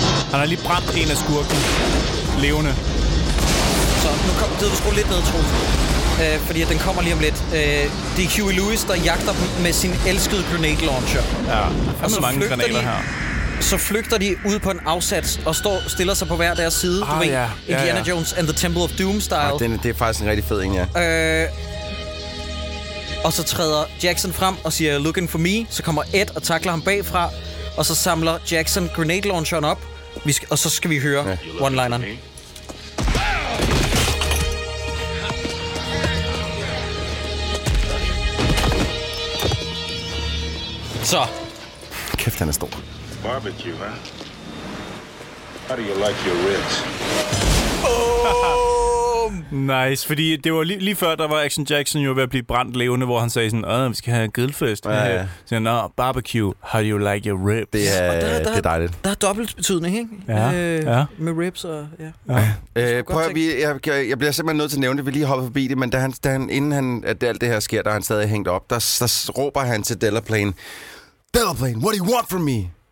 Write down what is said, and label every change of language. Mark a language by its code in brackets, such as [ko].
[da] Han har lige brændt en af skurken. Levende. Så nu kommer det, du skruer lidt ned, Troels. Fordi den kommer lige om lidt. Det er Huey Lewis, der jagter med sin elskede grenade launcher. Ja, der er så mange granater her. Så flygter de ud på en afsats og står stiller sig på hver deres side. Ah, du ved, ja, Indiana ja. [en] Jones and the Temple of Doom style. [da] Ah, det er faktisk en rigtig fed en, ja. Og så træder Jackson frem og siger, [en] looking for me. [da] Så kommer Ed og takler ham bagfra. Og så samler Jackson grenade launcheren op. Og så skal vi høre ja. One-lineren. Så. Kæft, han er stor. [en] Barbecue, huh? How do you like your ribs? Oh! [da] Nice, fordi det var lige før, der var Action Jackson jo ved at blive brændt levende, hvor han sagde sådan, vi skal have en grillfest. Ja, ja. Så siger han, [en] barbecue, how do you like your ribs? [da] Det er, det er dejligt. Der er dobbelt betydning, ikke? Ja. Med ribs og, ja. Prøv at jeg bliver simpelthen nødt til at nævne det, vi lige hopper forbi det, men inden alt det her sker, der er han stadig hængt op, der råber han til Delaplane, Delaplane, [en] what do you want from me?